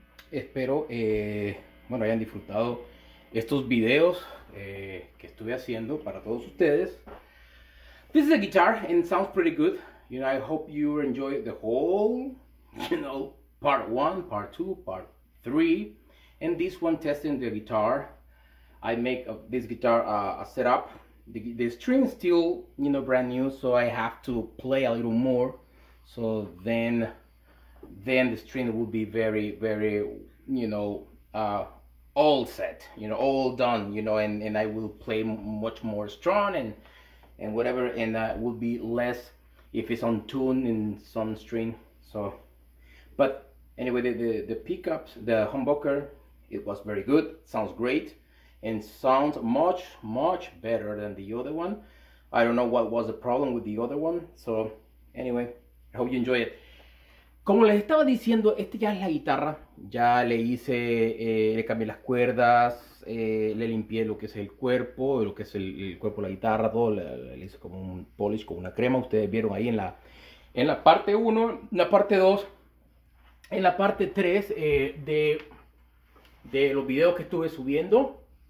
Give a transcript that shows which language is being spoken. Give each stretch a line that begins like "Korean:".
Spanish: Espero, bueno, hayan disfrutado estos videos que estuve haciendo para todos ustedes.
English: This is a guitar and it sounds pretty good. You know, I hope you enjoy the whole, you know, part one, part two, part three. And this one, testing the guitar. I make this guitar a setup. The string is still, you know, brand new, so I have to play a little more. So then the string will be very, very, you know, all set, you know, all done, you know, and I will play much more strong and whatever, and that will be less if it's on tune in some string. So, but anyway, the pickups, the humbucker, it was very good, sounds great, and sounds much, much better than the other one. I don't know what was the problem with the other one. So anyway, I hope you enjoy it.
Spanish: Como les estaba diciendo, este ya es la guitarra. Ya le hice, le cambié las cuerdas, le limpié lo que es el cuerpo, lo que es el cuerpo de la guitarra, todo. Le hice como un polish, como una crema. Ustedes vieron ahí en la parte 1, en la parte 2, en la parte 3 de los videos que estuve subiendo.